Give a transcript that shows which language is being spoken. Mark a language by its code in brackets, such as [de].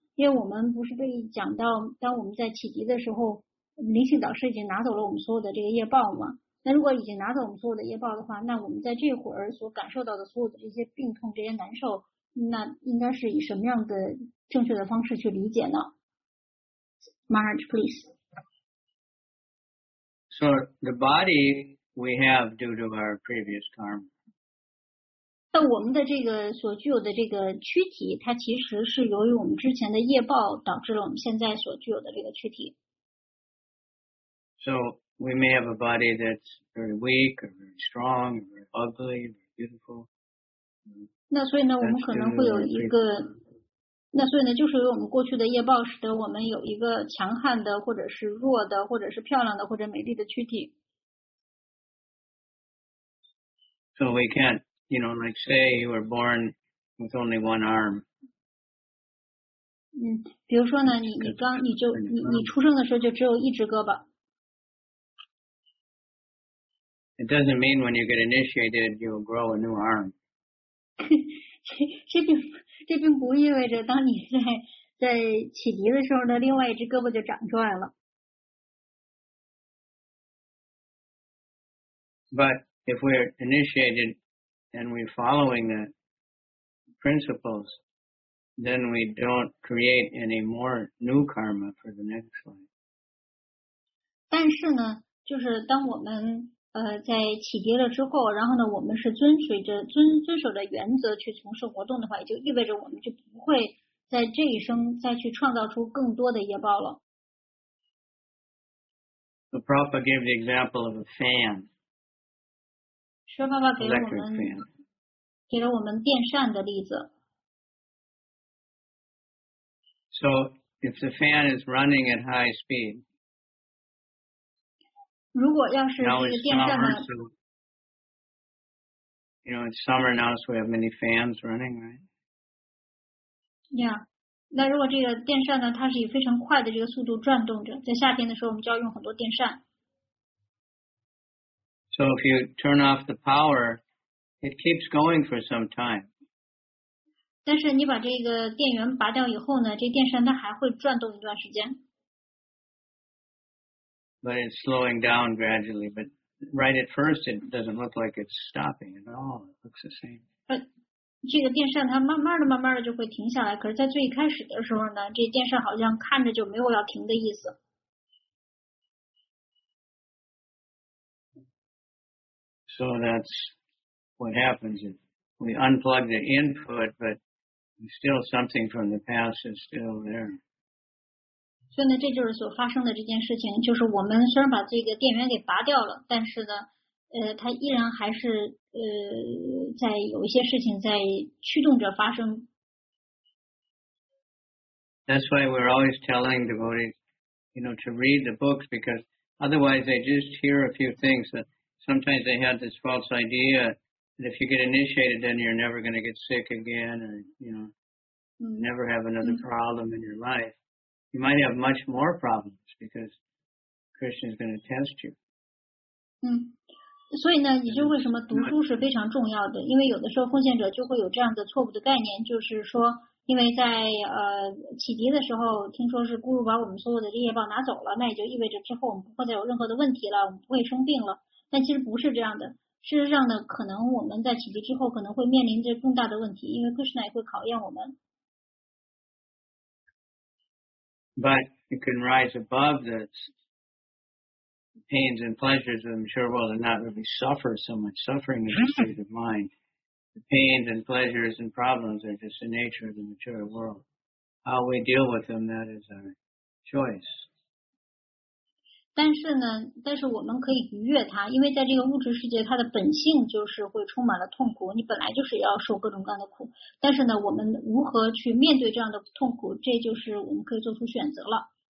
[zh] 因为我们不是被讲到当我们在启迪的时候，灵性导师已经拿走了我们所有的这个业报嘛，那如果已经拿走我们所有的业报的话，那我们在这会儿所感受到的所有的这些病痛这些难受，那应该是以什么样的正确的方式去理解呢？ [en] Maharaj, please. So the body we have due to our previous karma. [zh] 那我们的这个所具有的这个躯体，它其实是由于我们之前的业报导致了我们现在所具有的这个躯体。 [en] So we may have a body that's very weak or very strong or very ugly or very beautiful. [zh] 那所以呢，我们可能会有一个，那所以呢，就是由于我们过去的业报使得我们有一个强悍的，或者是弱的，或者是漂亮的，或者美丽的躯体。 [en] So we can't. You know, like say you were born with only one arm. [zh] 比如说呢，你出生的时候就只有一只胳膊。 [en] It doesn't mean when you get initiated you'll grow a new arm. [zh] 这并不意味着当你在启迪的时候呢，另外一只胳膊就长出来了。 [en] But if we're initiated and we're following the principles, then we don't create any more new karma for the next life. [zh] 但是呢，就是当我们在起跌了之后，然后呢，我们是遵守的原则去从事活动的话，也就意味着我们就不会在这一生再去创造出更多的业报了。 [en] The Prabhupada gave the example of a fan. [zh] 舍爸爸给了我们电扇的例子。 [en] So if the fan is running at high speed, [zh] 如果要是这个电扇呢 [en] now it's summer, so, you know, it's summer now, so we have many fans running, right? Yeah. [zh] 那如果这个电扇呢，它是以非常快的这个速度转动着，在夏天的时候，我们就要用很多电扇。 [en] So if you turn off the power, it keeps going for some time. [zh] 但是你把这个电源拔掉以后呢，这电扇它还会转动一段时间。 [en] But it's slowing down gradually. But right at first, it doesn't look like it's stopping at all. It looks the same. But [zh] 这个电扇它慢慢的就会停下来。可是，在最一开始的时候呢，这电扇好像看着就没有要停的意思。 [en] So that's what happens. We unplug the input, but still something from the past is still there. [zh] 所以呢，这就是所发生的这件事情，就是我们虽然把这个电源给拔掉了，但是呢，它依然还是在有一些事情在驱动着发生。 [en] That's why we're always telling devotees, you know, to read the books because otherwise they just hear a few things that sometimes they have this false idea that if you get initiated, then you're never going to get sick again or you know, never have another problem in your life. You might have much more problems because Krishna is going to test you. [zh] 所以呢，也就是为什么读书是非常重要的，因为有的时候奉献者就会有这样的错误的概念，就是说，因为在启迪的时候，听说是guru把我们所有的这些业报拿走了，那也就意味着之后我们不会再有任何的问题了，我们不会生病了。但其实不是这样的，事实上呢，可能我们在启迪之后可能会面临着更大的问题，因为 Krishna 也会考验我们。 [en] But you can rise above the pains and pleasures of the material world and not really suffer so much. Suffering is a state of mind. The pains and pleasures and problems are just the nature of the material world. How we deal with them, that is our choice. [zh] 但是呢，但是我们可以逾越它，因为在这个物质世界，它的本性就是会充满了痛苦。你本来就是要受各种各样的苦，但是呢，我们如何去面对这样的痛苦，这就是我们可以做出选择了。